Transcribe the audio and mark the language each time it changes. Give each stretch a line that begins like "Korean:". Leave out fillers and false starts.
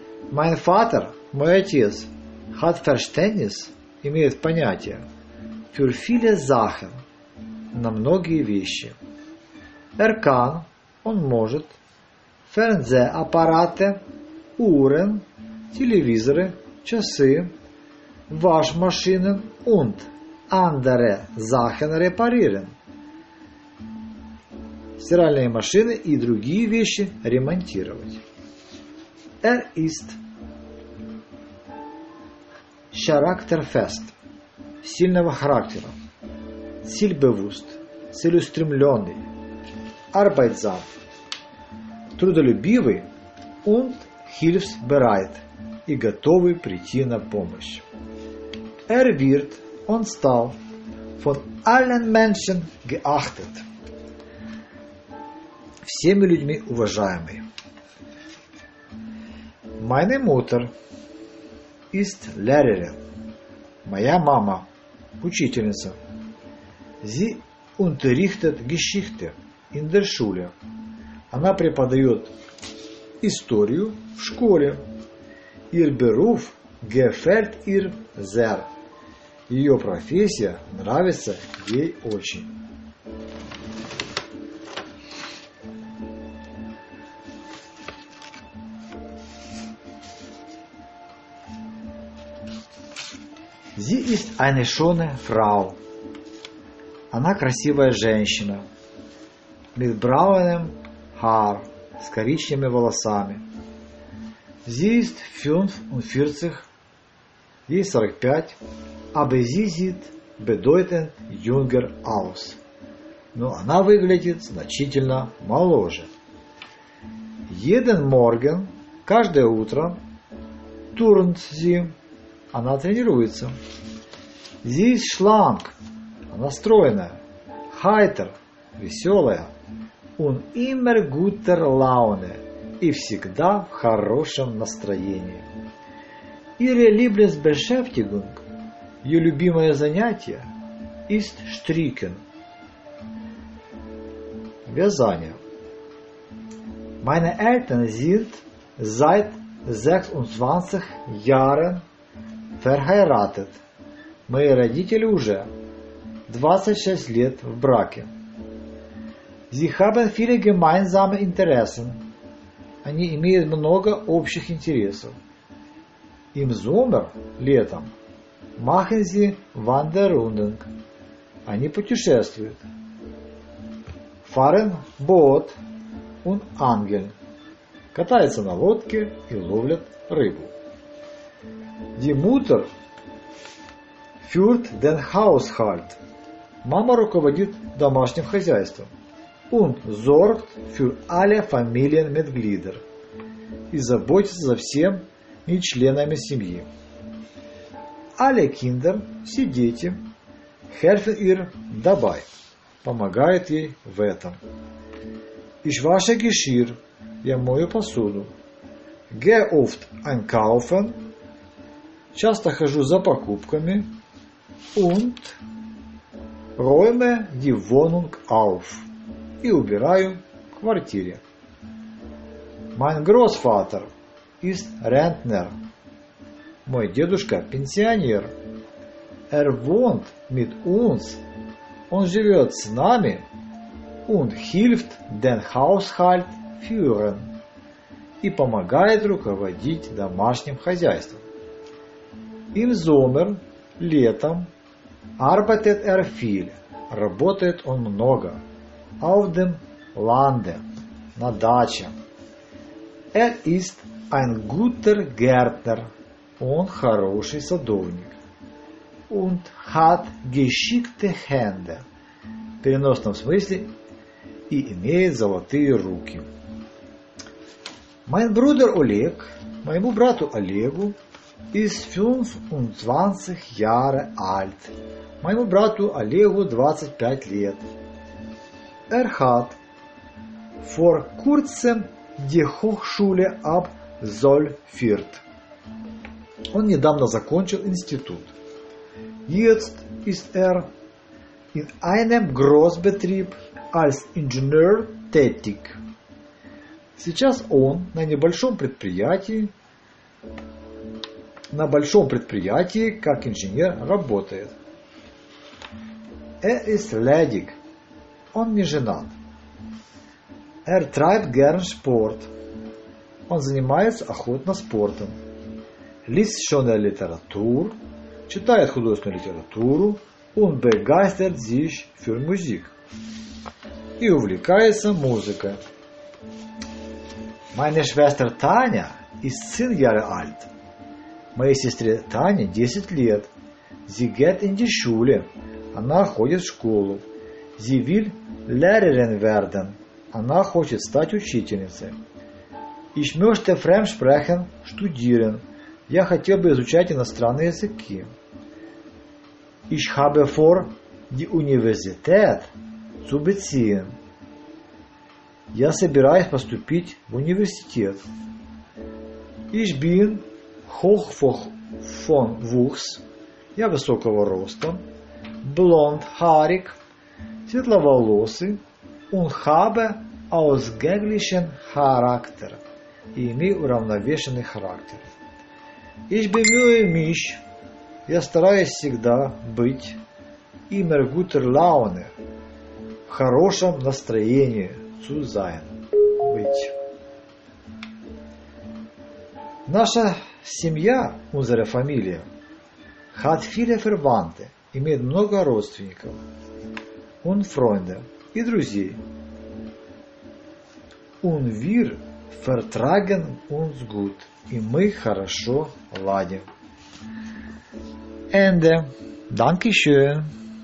German: Mein Vater,
Russian: мой отец,
German: hat Verständnis,
Russian: имеет понятие,
German: für viele Sachen,
Russian: на многие вещи.
German: Er kann,
Russian: он может,
German: Fernsehapparate, Uhren,
Russian: телевизоры, часы,
German: Waschmaschinen und andere Sachen reparieren.
Russian: Стиральные машины и другие вещи ремонтировать.
German: Er ist charakterfest,
Russian: сильного характера,
German: zielbewusst,
Russian: целеустремленный,
German: arbeitsam,
Russian: трудолюбивый
German: und hilfsbereit,
Russian: и готовый прийти на помощь.
German: Er wird,
Russian: он стал,
German: von allen Menschen geachtet,
Russian: всеми людьми уважаемый.
German: Meine Mutter ist Lehrerin.
Russian: Моя мама учительница.
German: Sie unterrichtet Geschichte in der Schule.
Russian: Она преподает историю в школе.
German: Ihr Beruf gefällt ihr sehr.
Russian: Ее профессия нравится ей очень.
German: Sie ist eine schöne Frau.
Russian: Она красивая женщина.
German: Mit braunem Haar,
Russian: с коричневыми волосами.
German: Sie ist 45,
Russian: ей 45,
German: aber sie sieht bedeutend jünger aus.
Russian: Но она выглядит значительно моложе.
German: Jeden Morgen,
Russian: каждое утро,
German: turnt sie,
Russian: она тренируется.
German: Sie ist schlank,
Russian: настроенная,
German: heiter,
Russian: веселая,
German: und immer guter Laune,
Russian: и всегда в хорошем настроении.
German: Ihre Lieblingsbeschäftigung,
Russian: ее любимое занятие,
German: ist stricken,
Russian: вязание.
German: Meine Eltern sind seit 26 Jahren verheiratet.
Russian: Мои родители уже 26 лет в браке.
German: Sie haben viele gemeinsame Interessen.
Russian: Они имеют много общих интересов.
German: Im Sommer,
Russian: летом,
German: machen sie Wanderungen.
Russian: Они путешествуют.
German: Fahren Boot und Angeln.
Russian: Катаются на лодке и ловят рыбу.
German: Die Mutter führt den Haushalt.
Russian: Мама руководит домашним хозяйством.
German: Und sorgt für alle Familienmitglieder.
Russian: И заботится за всеми членами семьи.
German: Alle Kinder,
Russian: все дети,
German: helfen ihr dabei.
Russian: Помогает ей в этом.
German: Ich wasche Geschirr.
Russian: Я мою посуду.
German: Gehe oft einkaufen.
Russian: Часто хожу за покупками.
German: Und räume die Wohnung auf.
Russian: И убираю в квартире.
German: Mein Großvater ist Rentner.
Russian: Мой дедушка пенсионер.
German: Wohnt mit uns.
Russian: Он живет с нами.
German: Und hilft den Haushalt führen.
Russian: И помогает руководить домашним хозяйством.
German: Im Sommer,
Russian: летом,
German: arbeitet viel.
Russian: Работает он много.
German: Auf dem Lande,
Russian: на даче.
German: Ist ein guter Gärtner.
Russian: Он хороший садовник.
German: Und hat geschickte Hände.
Russian: В переносном смысле, и имеет золотые руки.
German: Mein Bruder Oleg,
Russian: моему брату Олегу,
German: ist 25 Jahre alt.
Russian: Моему брату Олегу 25 лет.
German: Hat vor kurzem die Hochschule absolviert.
Russian: Он недавно закончил институт.
German: Jetzt ist in einem Großbetrieb als Ingenieur tätig.
Russian: Сейчас он на небольшом предприятии, на большом предприятии как инженер работает.
German: Ist ledig.
Russian: Он не женат.
German: Treibt gern Sport.
Russian: Он занимается охотно спортом.
German: Liest schon Literatur.
Russian: Читает художественную литературу.
German: Und begeistert sich für Musik.
Russian: И увлекается музыкой.
German: Meine Schwester Tanja ist 10 Jahre alt.
Russian: Моей сестре Тане 10 лет.
German: Sie geht in die Schule.
Russian: Она ходит в школу.
German: Sie will Lehrerin werden.
Russian: Она хочет стать учительницей.
German: Ich möchte fremdsprachen studieren.
Russian: Я хотел бы изучать иностранные языки.
German: Ich habe vor, die Universität zu beziehen.
Russian: Я собираюсь поступить в университет.
German: Ich bin hoch von Wuchs.
Russian: Я высокого роста.
German: Blond haarig.
Russian: Светловолосый.
German: Und habe ausgeglichen Charakter.
Russian: И имею уравновешенный характер.
German: Ich bemühe mich.
Russian: Я стараюсь всегда быть.
German: Immer guter Laune.
Russian: В хорошем настроении.
German: Zu sein.
Russian: Быть. Наша семья,
German: unsere Familie, hat viele Verwandte.
Russian: Имеет много родственников.
German: Und Freunde.
Russian: И друзей.
German: Und wir vertragen uns gut.
Russian: И мы хорошо ладим.
German: Ende. Dankeschön.